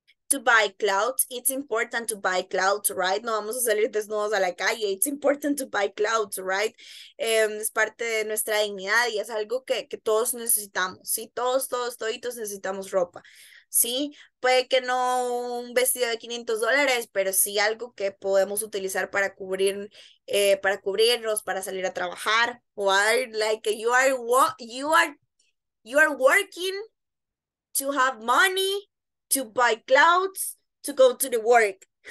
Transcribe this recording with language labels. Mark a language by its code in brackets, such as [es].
[en] To buy clothes, it's important to buy clothes, right? [es] No vamos a salir desnudos a la calle. [en] It's important to buy clothes, right? [es] Es parte de nuestra dignidad y es algo que todos necesitamos, ¿sí? Todos necesitamos ropa, ¿sí? Puede que no un vestido de $500, pero sí algo que podemos utilizar para cubrirnos, para salir a trabajar. [en] Or like you are working to have money to buy clothes to go to the work.